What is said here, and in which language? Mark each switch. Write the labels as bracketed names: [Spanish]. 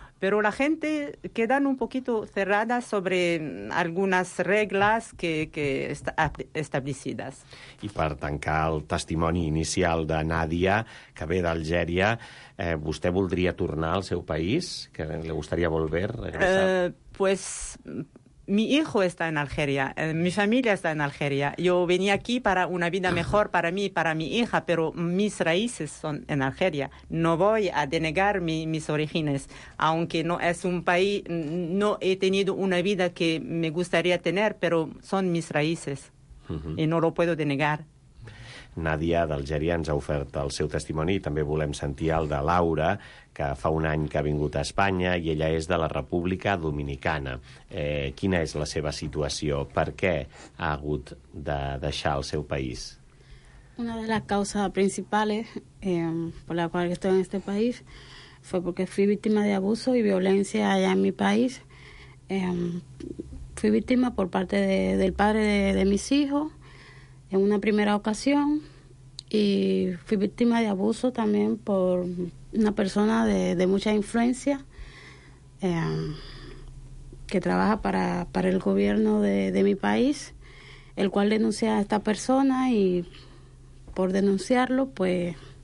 [Spanish] Pero la gente queda un poquito cerrada sobre algunas reglas que establecidas. [Catalan] I per tancar el testimoni inicial de Nàdia, que ve d'Algèria, vostè voldria tornar al seu país? [Spanish] Que li gustaría volver? Pues mi hijo está en Algeria, mi familia está en Algeria. Yo venía aquí para una vida mejor para mí y para mi hija, pero mis raíces son en Algeria. No voy a denegar mis orígenes, aunque no es un país, no he tenido una vida que me gustaría tener, pero son mis raíces y no lo puedo denegar. [Catalan] Nàdia d'Algèria ens ha ofert el seu testimoni. També volem sentir el de Laura, que fa un any que ha vingut a Espanya i ella és de la República Dominicana. Quina és la seva situació? Per què ha hagut de deixar el seu país? [Spanish] Una de las causas principales por la cual estoy en este país fue porque fui víctima de abuso y violencia allá en mi país. Fui víctima por parte del padre de mis hijos en una primera ocasión y fui víctima de abuso también por una persona de mucha influencia que trabaja para el gobierno de mi país, el cual denuncia a esta persona y por denunciarlo, pues